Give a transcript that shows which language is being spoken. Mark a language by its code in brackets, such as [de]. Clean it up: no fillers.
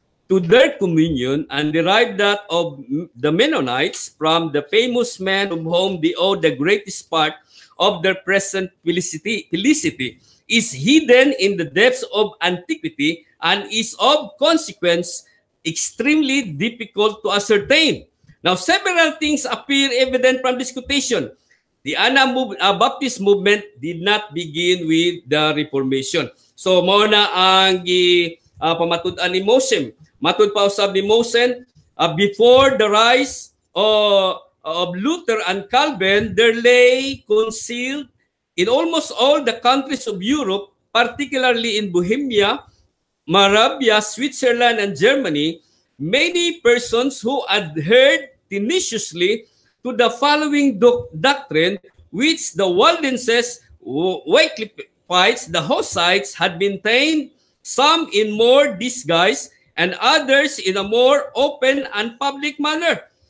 [en] to their communion and derived that of the Mennonites from the famous men of whom they owe the greatest part of their present felicity is hidden in the depths of antiquity and is of consequence extremely difficult to ascertain. Now, several things appear evident from this quotation. The Anabaptist movement did not begin with the Reformation. [ceb] So, mao na ang pamatud-an ni Moshim. Matud pa usab ni Moshim, [en] before the rise of Luther and Calvin, there lay concealed in almost all the countries of Europe, particularly in Bohemia, Moravia, Switzerland, and Germany, many persons who adhered tenaciously to the following doctrine which the Waldenses, Wycliffeites, the Hussites had maintained, some in more disguise and others in a more open and public manner,